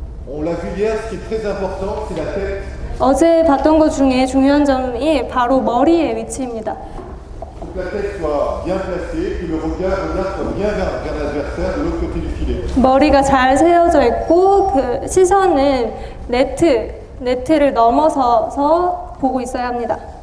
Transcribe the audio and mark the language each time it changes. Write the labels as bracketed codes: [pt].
[fr] On l'a vu hier, ce qui est très important, c'est la tête. [ko] 어제 봤던 것 중에 중요한 점이 바로 머리의 위치입니다. [fr] Pour que la tête soit bien placée, que le regard soit bien vers l'adversaire de l'autre côté du filet. [ko] 머리가 잘 세워져 있고 그 시선은 네트를 넘어서서 보고 있어야 합니다.